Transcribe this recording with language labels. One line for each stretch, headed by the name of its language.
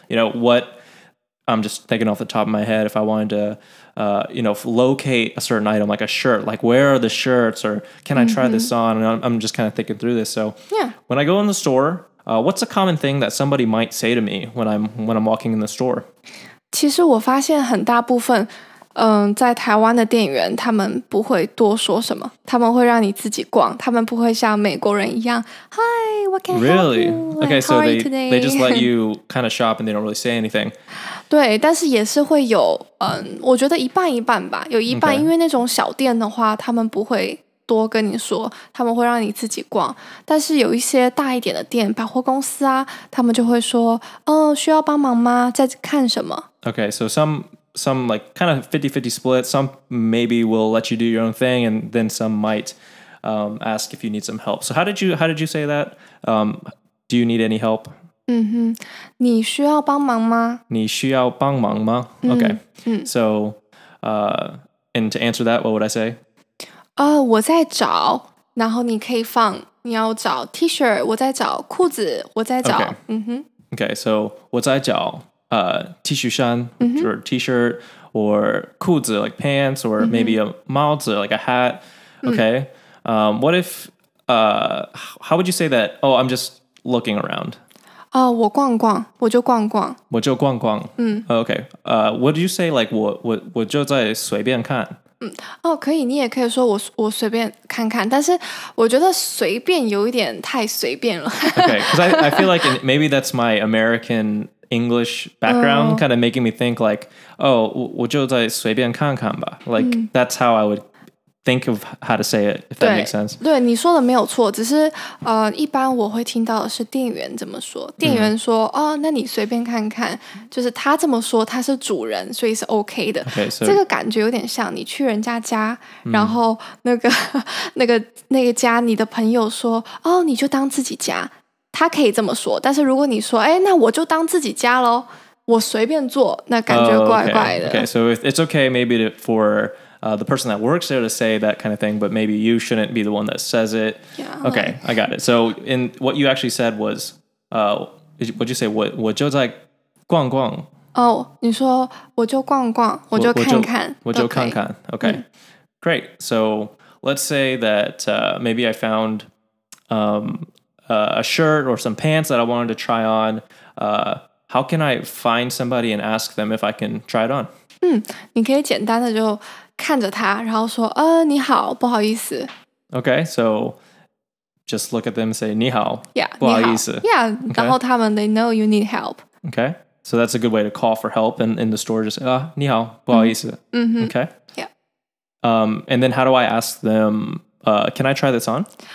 English: You know, what I'm just thinking off the top of my head, if I wanted to... you know, locate a certain item, like a shirt, like where are the shirts or can I try this on? And I'm just kind of thinking through this. So when I go in the store, what's a common thing that somebody might say to me when I'm walking in the store?
Chinese: 其实我发现很大部分在台湾的店员他们不会多说什么，他们会让你自己逛，他们不会像美国人一样
English: Hi, what can I really? help you? Okay, so they just let you kind of shop and they don't really say anything.
Chinese: 对，但是也是会有我觉得一半一半吧，有一半、okay. 因为那种小店的话他们不会多跟你说，他们会让你自己逛，但是有一些大一点的店，百货公司啊，他们就会说需要帮忙吗？在看什么？
English: Okay, so some like kind of 50-50 split. Some maybe will let you do your own thing and then some might ask if you need some help. So how did you say that? Do you need any help?
Chinese: 你需要帮忙吗? 你需要帮忙吗?Okay.
English: So, and to answer that, what would I say?
Chinese: 我在找,然后你可以放,你要找 T-shirt, 我在找裤子,我在找。
English: Okay. Okay, so
Chinese: 我在找。
English: T-shirt, or T-shirt, or 裤子 like pants, or maybe a 帽子 like a hat. Okay. What if, how would you say that? Oh, I'm just looking around.
Chinese: 我逛逛，我就逛逛。我就逛逛。Okay.
English: What do you say, like,
Chinese: 我就在随便看。可以，你也可以说我随便看看，但是我觉得随便有一点太随便了。
English: Okay, because I feel like maybe that's my American... English background kind of making me think like, oh,
Chinese: 我就在随便看看吧。
English: Like, that's how I would think of how to say it, if that makes sense.
Chinese: 对，你说的没有错，只是一般我会听到的是店员怎么说。店员说，那你随便看看，就是他这么说，他是主人，所以是 OK 的。
English: Okay, so,
Chinese: 这个感觉有点像你去人家家，然后那个家你的朋友说，你就当自己家。他可以这么说，但是如果你说，哎，那我就当自己家咯，我随便做，那感觉怪怪的。
English: Okay, so it's okay maybe for the person that works there to say that kind of thing, but maybe you shouldn't be the one that says it. Yeah, okay, like, I got it. So in what you actually said was, what'd you say?
Chinese: 我就在逛逛. Oh, 你说我就逛逛, 我就看看, 我就看看.Okay, great.
English: So let's say that maybe I found a shirt or some pants that I wanted to try on. How can I find somebody and ask them if I can try it on?
Chinese: 你可以简单的就看着他, 然后说, 你好, 不好意思.
English: Okay, so just look at them and say,
Chinese: 你好,
English: yeah,
Chinese: 不好意思.
English: Yeah, okay.
Chinese: 然后他们,
English: they know you need help. Okay, so that's a good way to call for help in the store.
Chinese: Just, 你好, 不好意思. Mm-hmm.
English: Okay. Yeah. And then how do I ask them, can I try this on?